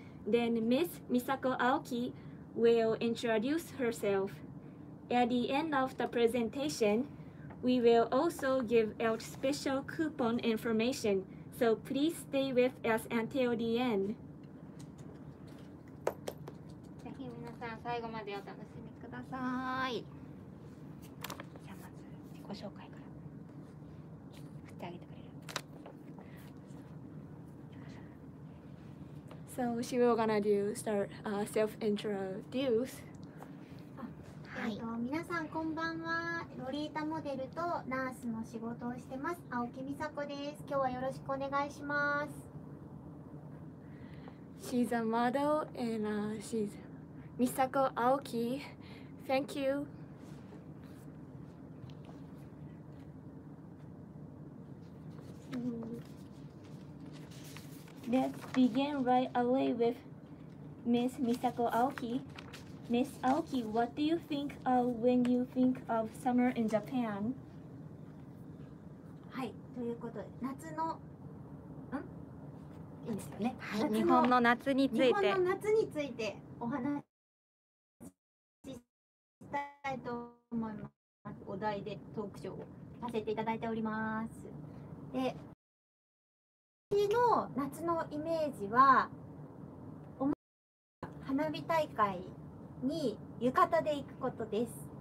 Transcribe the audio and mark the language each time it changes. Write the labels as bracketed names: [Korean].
[English] Then Miss Misako Aoki will introduce herself. At the end of the presentation, we will also give out special coupon information, so please stay with us until the end. [Japanese] 最後までお楽しみください。じゃあまず自己紹介から振ってあげてくれる。 [English] So she will gonna do start、self introduce。 [Japanese] 皆さんこんばんは。ロリータモデルとナースの仕事をしてます青木美沙子です。今日はよろしくお願いします。 [English] She's a model and、she'sMisako Aoki, thank you. Let's begin right away with Miss Misako Aoki. Miss Aoki, what do you think of when you think of summer in Japan? [Japanese] はい、ということで、夏の、いいですよね、はい、日本の夏について、日本の夏についてお話ししたいと思います。お題でトークショーをさせていただいております。で、私の夏のイメージは花火大会に浴衣で行くことです。